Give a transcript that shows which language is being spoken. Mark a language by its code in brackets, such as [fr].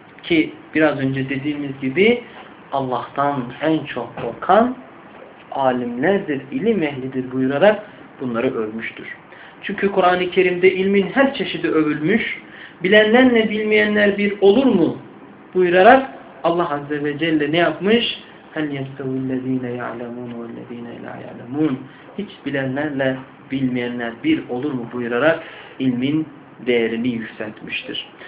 [tr] Ki biraz önce dediğimiz gibi Allah'tan en çok korkan alimlerdir, ilim ehlidir buyurarak bunları övmüştür. Çünkü Kur'an-ı Kerim'de ilmin her çeşidi övülmüş. Bilenlerle bilmeyenler bir olur mu? Buyurarak Allah Azze ve Celle ne yapmış? [ar] هَلْ يَسْتَوُ الَّذ۪ينَ يَعْلَمُونَ وَالَّذ۪ينَ لَا يَعْلَمُونَ [tr] hiç bilenlerle bilmeyenler bir olur mu? Buyurarak ilmin değerini yükseltmiştir.